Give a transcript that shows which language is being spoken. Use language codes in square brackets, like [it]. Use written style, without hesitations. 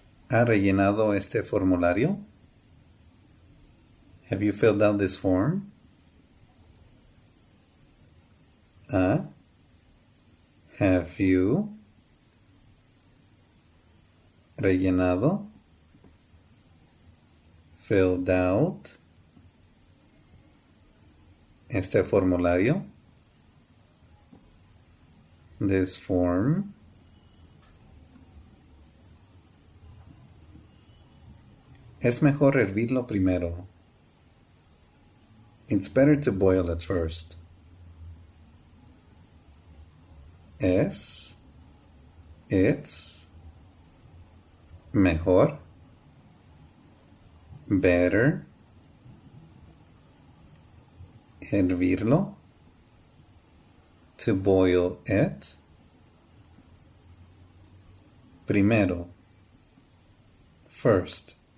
[es] ¿Ha rellenado este formulario? [en] Have you filled out this form? Have you [es] rellenado? [en] Filled out [es] este formulario? [en] This form? [es] Es mejor hervirlo primero. [en] It's better to boil it first. [es] Es, [en] it's, [es] mejor, [en] better, [es] hervirlo, [en] to boil it, [es] primero, [en] first.